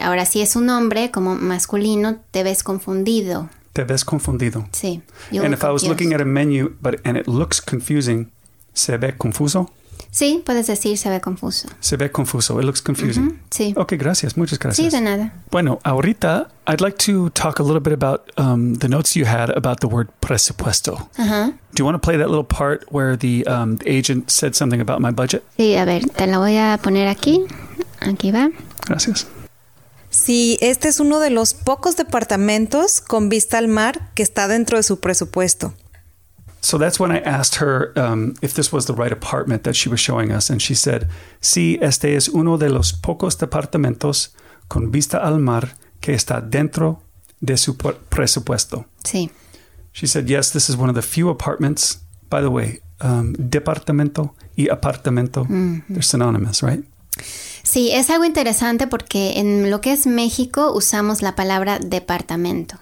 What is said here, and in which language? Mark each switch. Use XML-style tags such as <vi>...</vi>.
<es>Ahora, si es un hombre, como masculino, te ves confundido. Te ves confundido. Sí.</es> <en>And if I was looking at a menu and it looks confusing,</en> <es>¿se ve confuso? Sí, puedes decir se ve confuso. Se ve confuso.</es> <en>It looks confusing.</en> <es>Mm-hmm. Sí. Okay, gracias. Muchas gracias. Sí, de nada. Bueno, ahorita</es> <en>I'd like to talk a little bit about the notes you had about the word presupuesto. Uh-huh. Do you want to play that little part where the agent said something about my budget?</en> <es>Sí, a ver, te la voy a poner aquí. Aquí va. Gracias. Sí, este es uno de los pocos departamentos con vista al mar que está dentro de su presupuesto.</es> <en>So that's when I asked her if this was the right apartment that she was showing us. And she said,</en> <es>sí, este es uno de los pocos departamentos con vista al mar que está dentro de su presupuesto. Sí.</es> <en>She said, yes, this is one of the few apartments. By the way, departamento y apartamento, they're synonymous, right?</en> <es>Sí, es algo interesante porque en lo que es México usamos la palabra departamento.</es>